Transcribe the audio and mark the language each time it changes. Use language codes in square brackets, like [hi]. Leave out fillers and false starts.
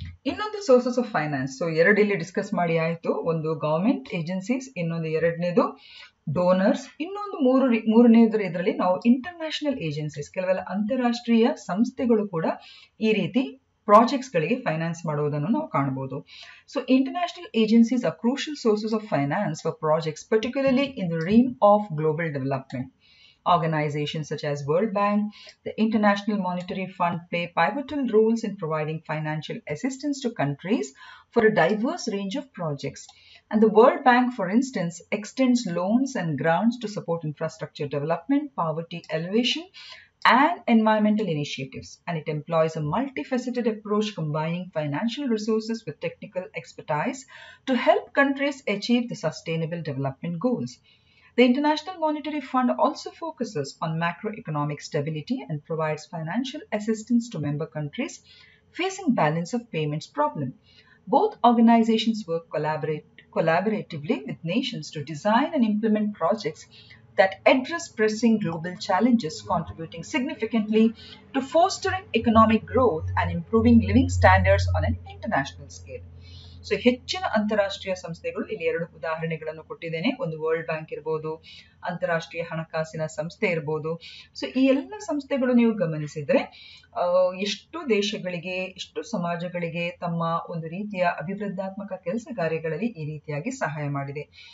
[kn] ಇನ್ನೊಂದು sources of finance. So ಎರಡು ಇಲ್ಲಿ ಡಿಸ್ಕಸ್ ಮಾಡಿ ಆಯಿತು, ಒಂದು ಗೌರ್ಮೆಂಟ್ ಏಜೆನ್ಸೀಸ್, ಇನ್ನೊಂದು ಎರಡನೇದು ಡೋನರ್ಸ್, ಇನ್ನೊಂದು ಮೂರನೇದ್ರ ಇದರಲ್ಲಿ ನಾವು ಇಂಟರ್ನ್ಯಾಷನಲ್ ಏಜೆನ್ಸೀಸ್, ಕೆಲವೆಲ್ಲ ಅಂತಾರಾಷ್ಟ್ರೀಯ ಸಂಸ್ಥೆಗಳು ಕೂಡ ಈ ರೀತಿ ಪ್ರಾಜೆಕ್ಟ್ಸ್ಗಳಿಗೆ ಫೈನಾನ್ಸ್ ಮಾಡುವುದನ್ನು ನಾವು ಕಾಣಬಹುದು. [en] So international agencies are crucial sources of finance for projects, particularly in the realm of global development. Organizations such as World Bank, the International Monetary Fund play pivotal roles in providing financial assistance to countries for a diverse range of projects. And the World Bank, for instance, extends loans and grants to support infrastructure development, poverty alleviation, and environmental initiatives. And it employs a multifaceted approach combining financial resources with technical expertise to help countries achieve the sustainable development goals. The International Monetary Fund also focuses on macroeconomic stability and provides financial assistance to member countries facing balance of payments problem. Both organizations work collaboratively with nations to design and implement projects that address pressing global challenges, contributing significantly to fostering economic growth and improving living standards on an international scale. [kn] So ಹೆಚ್ಚಿನ ಅಂತಾರಾಷ್ಟ್ರೀಯ ಸಂಸ್ಥೆಗಳು, ಇಲ್ಲಿ ಎರಡು ಉದಾಹರಣೆಗಳನ್ನು ಕೊಟ್ಟಿದ್ದೇನೆ, ಒಂದು world bank ಇರ್ಬೋದು, ಅಂತಾರಾಷ್ಟ್ರೀಯ ಹಣಕಾಸಿನ ಸಂಸ್ಥೆ ಇರ್ಬೋದು. ಸೊ ಈ ಎಲ್ಲ ಸಂಸ್ಥೆಗಳು ನೀವು ಗಮನಿಸಿದ್ರೆ ಎಷ್ಟು ದೇಶಗಳಿಗೆ, ಎಷ್ಟು ಸಮಾಜಗಳಿಗೆ ತಮ್ಮ ಒಂದು ರೀತಿಯ ಅಭಿವೃದ್ಧಾತ್ಮಕ ಕೆಲಸ ಕಾರ್ಯಗಳಲ್ಲಿ ಈ ರೀತಿಯಾಗಿ ಸಹಾಯ ಮಾಡಿದೆ.